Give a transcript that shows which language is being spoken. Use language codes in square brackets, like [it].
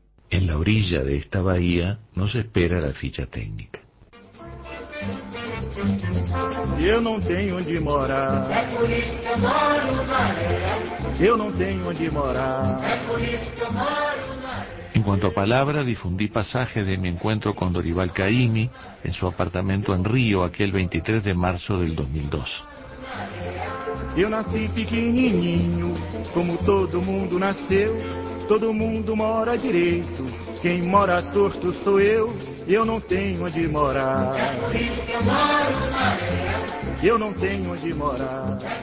[es] En la orilla de esta bahía nos espera la ficha técnica. [pt] Eu não tenho onde morar. É por isso que eu moro na areia. Eu não tenho onde morar. É por isso que eu moro na areia. [es] En cuanto a palabra, difundí pasajes de mi encuentro con Dorival Caymmi en su apartamento en Río aquel 23 de marzo del 2002. [pt] Eu nací pequenininho, como todo mundo nasceu. Todo mundo mora direito, quem mora torto sou eu. Eu não tenho onde morar. É por isso que eu moro na areia. Eu não tenho onde morar.